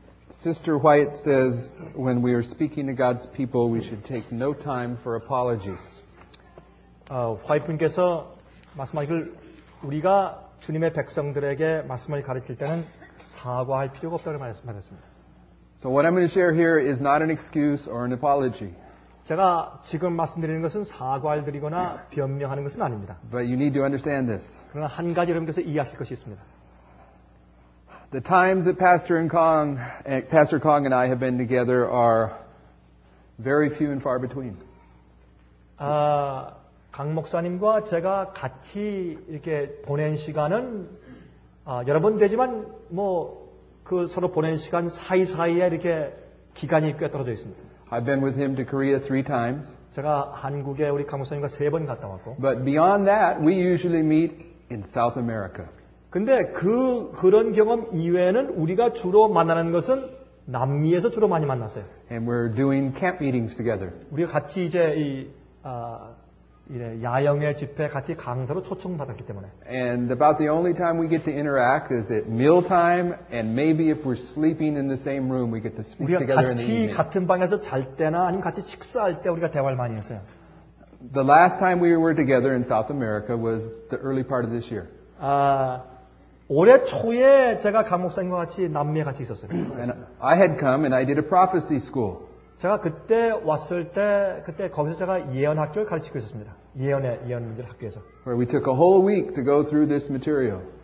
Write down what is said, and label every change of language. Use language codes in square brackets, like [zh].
[en] Sister White says, when we are speaking to God's people, we should take no time for apologies. [ko] 화이트님께서 말씀하시길 우리가 주님의 백성들에게 말씀을 가르칠 때는 사과할 필요가 없다고 말씀하셨습니다. [en] So what I'm going to share here is not an excuse or an apology. [ko] 제가 지금 말씀드리는 것은 사과를 드리거나 변명하는 것은 아닙니다. [en] But you need to understand this. [ko] 그러나 한 가지 여러분께서 이해하실 것이 있습니다. [en] The times that Pastor Kong and I have been together are very few and far between. [ko] 강 목사님과 제가 같이 이렇게 보낸 시간은 여러 번 되지만 뭐 그 서로 보낸 시간 사이사이에 이렇게 기간이 꽤 떨어져 있습니다. [en] I've been with him to Korea 3 times. [ko] 제가 한국에 우리 강 목사님과 세 번 갔다 왔고. [en] But beyond that, we usually meet in South America. [ko] 근데 그런 경험 이외에는 우리가 주로 만나는 것은 남미에서 주로 많이 만났어요. [en] And we're doing camp meetings together. [ko] 우리가 같이 이제 이래 야영회 집회 같이 강사로 초청받았기 때문에. [en] And about the only time we get to interact is at mealtime, and maybe if we're sleeping in the same room, we get to speak together in the evening. [ko] 우리가 같이 같은 방에서 잘 때나 아니면 같이 식사할 때 우리가 대화를 많이 했어요. [en] The last time we were together in South America was the early part of this year. [ko] 올해 초에 제가 강 목사님과 같이 남미에 같이 있었어요. [en] And I had come and I did a prophecy school. [ko] 제가 그때 왔을 때 그때 거기서 제가 예언 학교를 가르치고 있었습니다. 예언 학교에서. [en] Where we took a whole week to go through this material.